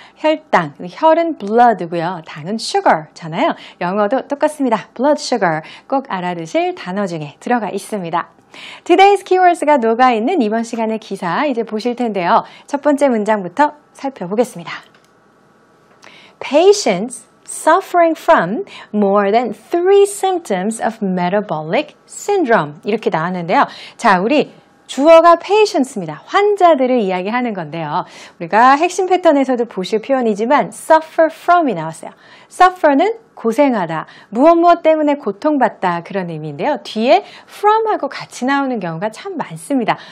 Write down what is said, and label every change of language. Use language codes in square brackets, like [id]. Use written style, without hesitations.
[ko] 혈당, 혈은 blood고요. 당은 sugar잖아요. 영어도 똑같습니다. blood sugar. 꼭 알아두실 단어 중에 들어가 있습니다. Today's keywords가 녹아있는 이번 시간의 기사 이제 보실 텐데요. 첫 번째 문장부터 살펴보겠습니다. [en] Patients suffering from more than three symptoms of metabolic syndrome [ko] 이렇게 나왔는데요. 자, 우리 주어가 patients입니다. 환자들을 이야기하는 건데요. 우리가 핵심 패턴에서도 보실 표현이지만 suffer from이 나왔어요. suffer는 고생하다, 무엇무엇 때문에 고통받다 그런 의미인데요. 뒤에 from하고 같이 나오는 경우가 참 많습니다.